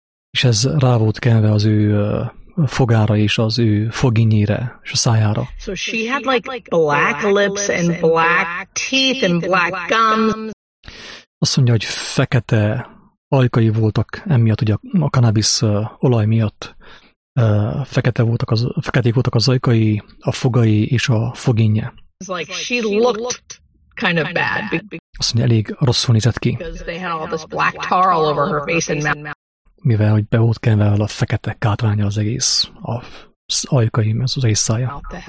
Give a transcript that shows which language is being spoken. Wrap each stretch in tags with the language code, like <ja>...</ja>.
<hu>És ez rá volt kenve az ő fogára és az ő foginyére és a szájára.</hu> <en>So she had like black lips and black teeth and black gums.</en> <hu>Azt mondja, hogy fekete ajkai voltak emiatt, ugye a cannabis olaj miatt feketék voltak az ajkai, a fogai és a foginye.</hu> <en>It's like she looked kind of bad.</en> <hu>Azt mondja, elég rosszul nézett ki.</hu> <en>Because they had all this black tar all over her face and mouth.</en> <hu>Mivel, hogy be volt kenve a fekete kátránya az egész az ajkai, az egész szája.</hu>